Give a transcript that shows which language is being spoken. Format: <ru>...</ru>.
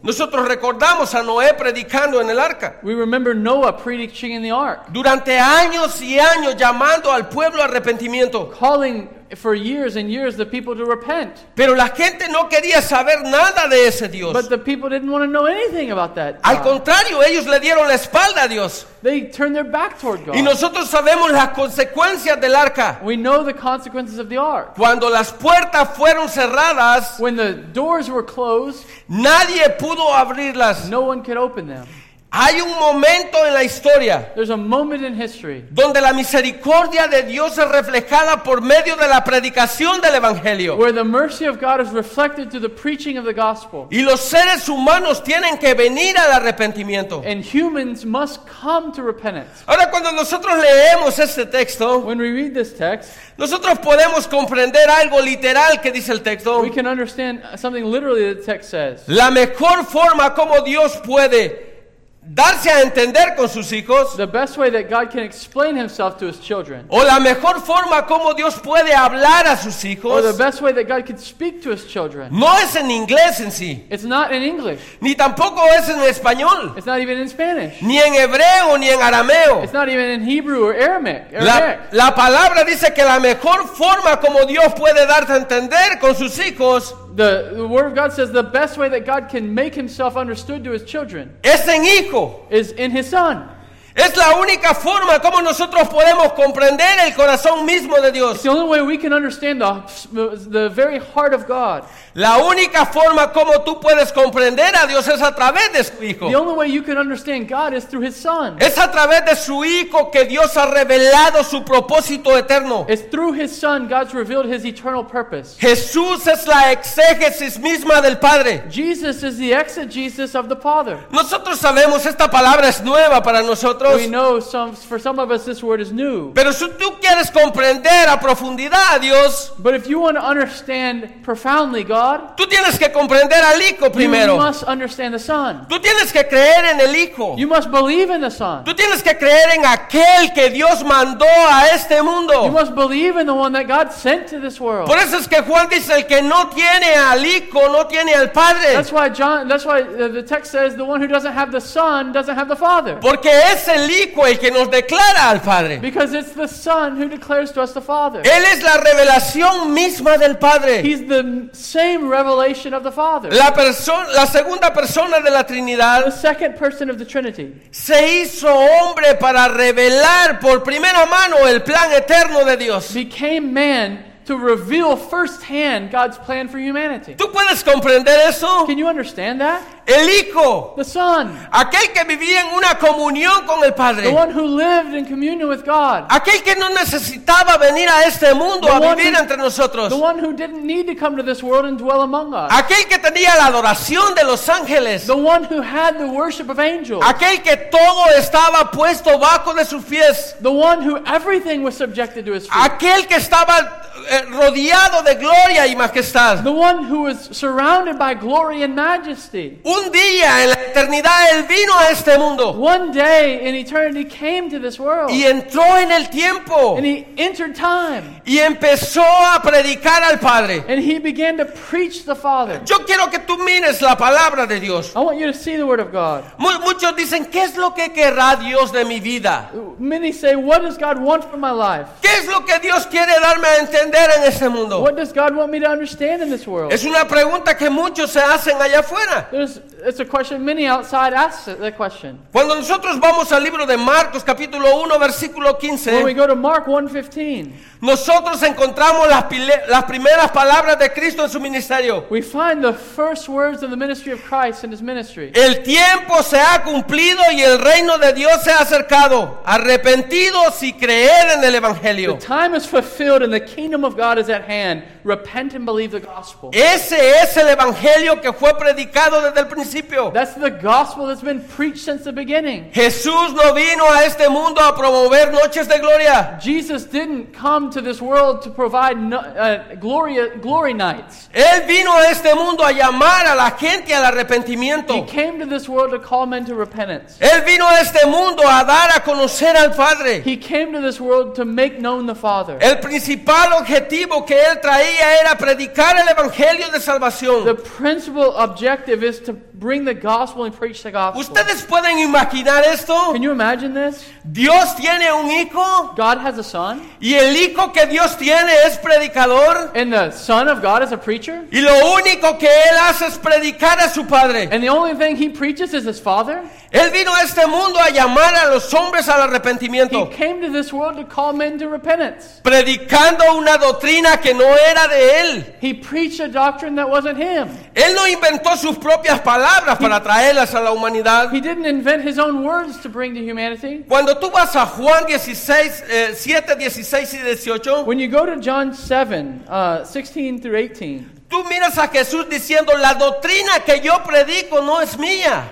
<es>Nosotros recordamos a Noé predicando en el arca.</es> <en>We remember Noah preaching in the ark.</en> <es>Durante años y años llamando al pueblo a arrepentimiento.</es> <en>Calling for years and years the people to repent.</en> <es>Pero la gente no quería saber nada de ese Dios.</es> <en>But the people didn't want to know anything about that</en> <es>God. Al contrario, ellos le dieron la espalda a Dios.</es> <en>They turned their back toward God.</en> <es>Y nosotros sabemos las consecuencias del arca.</es> <en>We know the consequences of the ark.</en> <es>Cuando las puertas fueron cerradas,</es> <en>when the doors were closed,</en> <es>nadie pudo abrirlas.</es> <en>No one could open them.</en> <es>Hay un momento en la historia,</es> <en>there's a moment in history,</en> <es>donde la misericordia de Dios es reflejada por medio de la predicación del evangelio,</es> <en>where the mercy of God is reflected through the preaching of the gospel,</en> <es>y los seres humanos tienen que venir al arrepentimiento,</es> <en>and humans must come to repentance.</en> <es>Ahora cuando nosotros leemos este texto,</es> <en>when we read this text,</en> <es>nosotros podemos comprender algo literal que dice el texto.</es> <en>We can understand something literally that the text says.</en> <es>La mejor forma como Dios puede darse a entender con sus hijos,</es> <en>the best way that God can explain himself to his children,</en> <es>o la mejor forma como Dios puede hablar a sus hijos,</es> <en>or the best way that God can speak to his children,</en> <es>no es en inglés en sí,</es> <en>it's not in English,</en> <es>ni tampoco es en español,</es> <en>it's not even in Spanish,</en> <es>ni en hebreo ni en arameo,</es> <en>it's not even in Hebrew or Aramaic.</en> <es>La palabra dice que la mejor forma como Dios puede darte a entender con sus hijos,</es> <en>The word of God says the best way that God can make himself understood to his children</en> <es>es en hijo.</es> <en>Is in his son.</en> <es>Es la única forma como nosotros podemos comprender el corazón mismo de Dios.</es> <en>It's the only way we can understand the very heart of God.</en> <es>La única forma como tú puedes comprender a Dios es a través de su hijo.</es> <en>The only way you can understand God is through his son.</en> <es>Es a través de su hijo que Dios ha revelado su propósito eterno.</es> <en>It's through his son God's revealed his eternal purpose.</en> <es>Jesús es la exégesis misma del Padre.</es> <en>Jesus is the exegesis of the Father.</en> <es>Nosotros sabemos, esta palabra es nueva para nosotros.</es> <en>We know for some of us this word is new.</en> <es>Pero si tú quieres comprender a profundidad a Dios,</es> <en>but if you want to understand profoundly God,</en> <es>tú tienes que comprender al hijo primero.</es> <en>You must understand the son.</en> <es>Tú tienes que creer en el hijo.</es> <en>You must believe in the son.</en> <es>Tú tienes que creer en aquel que Dios mandó a este mundo.</es> <en>You must believe in the one that God sent to this world.</en> <es>Por eso es que Juan dice, el que no tiene al hijo no tiene al padre.</es> <en>That's why the text says the one who doesn't have the son doesn't have the father.</en> <es>Porque es el hijo el que nos declara al padre.</es> <en>Because it's the son who declares to us the father.</en> <es>Él es la revelación misma del padre.</es> <en>He's the same revelation of the Father.</en> <es>La segunda persona de la Trinidad,</es> <en>the second person of the Trinity,</en> <es>se hizo hombre para revelar por primera mano el plan eterno de Dios.</es> <en>Became man to reveal firsthand God's plan for humanity.</en> <es>¿Tú puedes comprender eso?</es> <en>Can you understand that?</en> <es>El hijo,</es> <en>the son,</en> <es>aquel que vivía en una comunión con el Padre,</es> <en>the one who lived in communion with God,</en> <es>aquel que no necesitaba venir a este mundo a vivir entre nosotros,</es> <en>the one who didn't need to come to this world and dwell among us,</en> <es>aquel que tenía la adoración de los ángeles,</es> <en>the one who had the worship of angels,</en> <es>aquel que todo estaba puesto bajo de sus pies,</es> <en>the one who everything was subjected to his feet,</en> <es>aquel que estaba rodeado de gloria y majestad,</es> <en>the one who was surrounded by glory and majesty.</en> <es>Un día en la eternidad él vino a este mundo.</es> <en>One day in eternity came to this world.</en> <es>Y entró en el tiempo.</es> <en>And he entered time.</en> <es>Y empezó a predicar al Padre.</es> <en>And he began to preach the Father.</en> <es>Yo quiero que tú mires la palabra de Dios.</es> <en>I want you to see the word of God.</en> <es>Muchos dicen, ¿qué es lo que querrá Dios de mi vida?</es> <en>Many say, what does God want from my life?</en> <es>¿Qué es lo que Dios quiere darme a entender en este mundo?</es> <en>What does God want me to understand in this world?</en> <es>Es una pregunta que muchos se hacen allá afuera.</es> <en>It's a question many outside ask that question.</en> <es>Cuando nosotros vamos al libro de Marcos capítulo 1 versículo 15,</es> <en>when we go to Mark 1:15,</en> <es>nosotros encontramos las primeras palabras de Cristo en su ministerio.</es> <en>We find the first words of the ministry of Christ in his ministry.</en> <es>El tiempo se ha cumplido y el reino de Dios se ha acercado. Arrepentidos y creed en el evangelio.</es> <en>The time is fulfilled and the kingdom of God is at hand. Repent and believe the gospel.</en> <es>Ese es el evangelio que fue predicado desde el principio.</es> <en>That's the gospel that's been preached since the beginning.</en> <es>Jesús no vino a este mundo a promover noches de gloria.</es> <en>Jesus didn't come to this world to provide glory nights.</en> <es>Él vino a este mundo a llamar a la gente al arrepentimiento.</es> <en>He came to this world to call men to repentance.</en> <es>Él vino a este mundo a dar a conocer al Padre.</es> <en>He came to this world to make known the Father.</en> <es>El principal objetivo que él traía era predicar el evangelio de salvación.</es> <en>The principal objective is to bring the gospel and preach the gospel.</en> <es>¿Ustedes pueden imaginar esto?</es> <en>Can you imagine this?</en> <es>Dios tiene un hijo.</es> <en>God has a son.</en> <es>Y el hijo que Dios tiene es predicador.</es> <en>And the son of God is a preacher.</en> <es>Y lo único que él hace es predicar a su padre.</es> <en>And the only thing he preaches is his father.</en> <es>Él vino a este mundo a llamar a los hombres al arrepentimiento.</es> <en>He came to this world to call men to repentance.</en> <es>Predicando una doctrina que no era de él.</es> <en>He preached a doctrine that wasn't him.</en> <es>Él no inventó sus propias palabras para traerlas a la humanidad.</es> <en>He didn't invent his own words to bring to humanity.</en> <es>Cuando tú vas a Juan 7, 16 y 18,</es> <en>when you go to John 7, 16 through 18,</en> <es>tú miras a Jesús diciendo, la doctrina que yo predico no es mía.</es>